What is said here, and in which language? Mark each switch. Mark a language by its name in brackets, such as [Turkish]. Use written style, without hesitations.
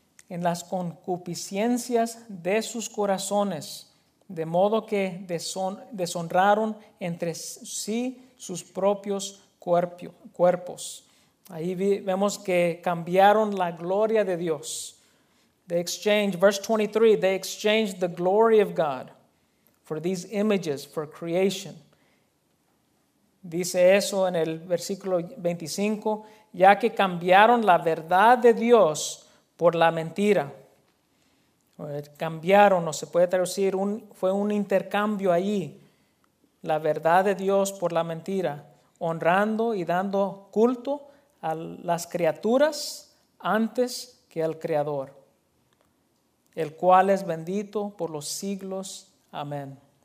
[Spanish] en las concupiscencias de sus corazones, de modo que deshonraron entre sí sus propios cuerpos. Ahí vemos que cambiaron la gloria de Dios. [English] They exchanged, verse 23, they exchanged the glory of God for these images, for creation. [Spanish] Dice eso en el versículo 25, ya que cambiaron la verdad de Dios por la mentira. Cambiaron, o se puede traducir, fue un intercambio ahí, la verdad de Dios por la mentira, honrando y dando culto a las criaturas antes que al Creador, el cual es bendito por los siglos. Amén.